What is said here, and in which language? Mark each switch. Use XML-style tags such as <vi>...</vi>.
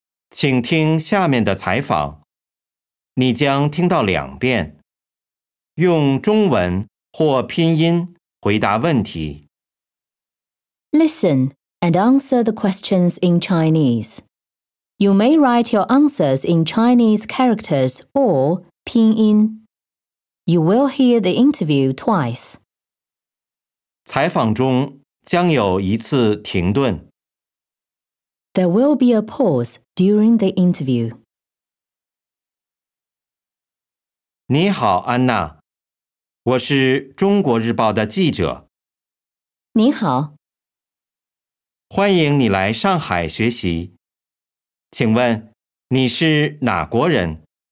<zh>请听下面的采访，你将听到两遍，用中文或拼音回答问题。</zh> <en>Listen and answer the questions in Chinese. You may write your answers in Chinese characters or 拼音. You will hear the interview twice.</en> <zh>采访中将有一次停顿。</zh> <en>There will be a pause during the interview.</en> <zh>你好，安娜，我是中国日报的记者。你好。欢迎你来上海学习。请问你是哪国人？</zh>